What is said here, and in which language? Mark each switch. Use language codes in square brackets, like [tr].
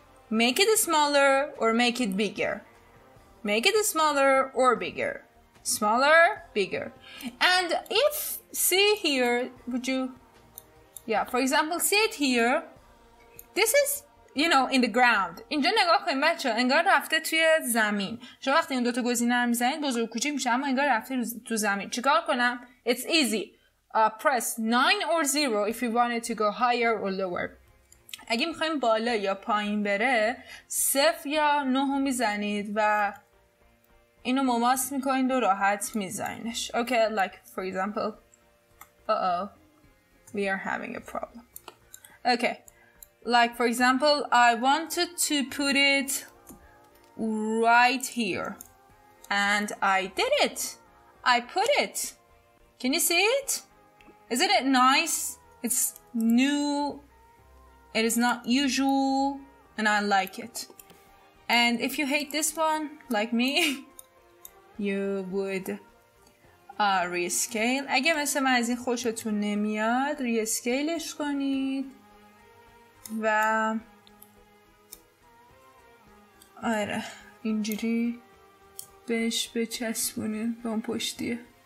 [en] Make it smaller or make it bigger. Make it smaller or bigger. Smaller, bigger. And if see here, would you, yeah, for example, see it here, this is, you know, in the ground. [fa] اینجا نگاه کنید بچه، انگار رفته توی زمین. شما وقتی این دوتا گزینه رو میزنید بزرگ کوچیک میشه، اما انگار رفته تو زمین. چیکار کنم؟ [en] It's easy. Press 9 or 0 if you want it to go higher or lower. [fa] اگه میخواییم بالا یا پایین بره، 0 یا 9 رو میزنید و اینو مماس میکنید و راحت میزنیدش. [en] Okay, like for example, we are having a problem. Okay, like for example, I wanted to put it right here. And I did it. I put it. Can you see it? Isn't it nice? It's new. It is not usual. And I like it. And if you hate this one, like me, you would... [fa] ریسکیل. اگه مثل من از این خوشتون نمیاد ریسکیلش کنید و آره اینجوری بهش بچسبونید به اون پشتیه.